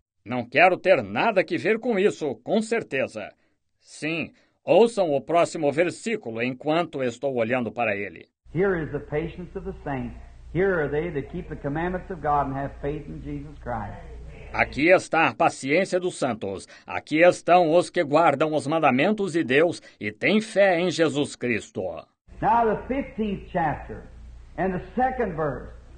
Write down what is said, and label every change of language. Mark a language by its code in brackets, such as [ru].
[pt] Não quero ter nada que ver com isso, com certeza. Sim, ouçam o próximo versículo enquanto estou olhando para ele. [en] Here is the patience of the saints. Here are they that keep the commandments of God and have faith in Jesus Christ. [pt] Aqui está a paciência dos santos. Aqui estão os que guardam os mandamentos de Deus e têm fé em Jesus Cristo. [en] Now the 15th chapter and the second verse.